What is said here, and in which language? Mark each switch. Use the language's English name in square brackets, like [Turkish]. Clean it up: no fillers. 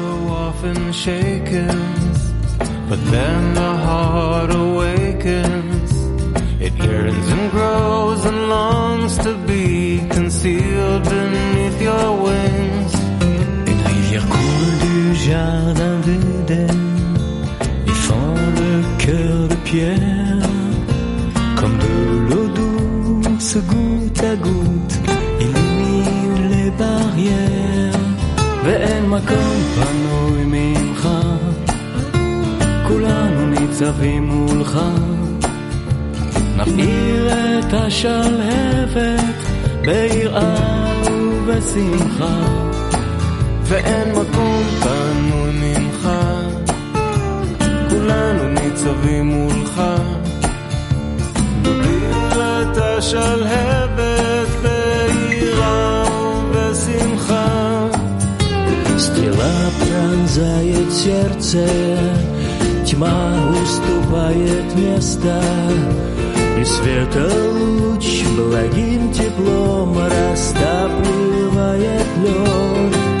[English] often shaken, but then the heart awakens. It yearns and grows and longs to be concealed beneath your wings. [French] Une rivière coule du jardin d'Eden, y fend le cœur de pierre. Comme de l'eau douce, goutte à goutte, illumine les barrières. [Hebrew] ואין מקום פנוי ממך, כולנו ניצבים מולך. נפעיר את השלהבת ביראה ובשמחה. ואין מקום פנוי ממך, כולנו ניצבים מולך. נפעיר את השלהבת ביראה ובשמחה. [Russian] Стрела пронзает сердце, тьма уступает место, и света луч благим теплом растапливает лед.